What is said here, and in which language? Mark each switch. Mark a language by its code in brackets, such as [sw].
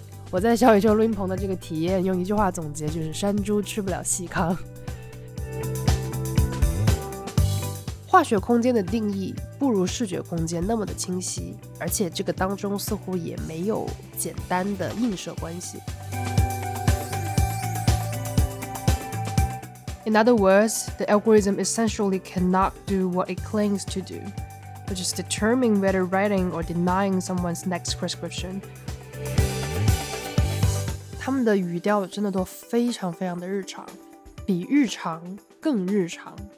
[zh] 我在小宇宙录音棚的这个体验用一句话总结，就是山猪吃不了细糠。化学空间的定义不如视觉空间那么的清晰，而且这个当中似乎也没有简单的映射关系。 [en] In other words, the algorithm essentially cannot do what it claims to do, which is determine whether writing or denying someone's next prescription. [zh] 他们的语调真的都非常非常的日常，比日常更日常。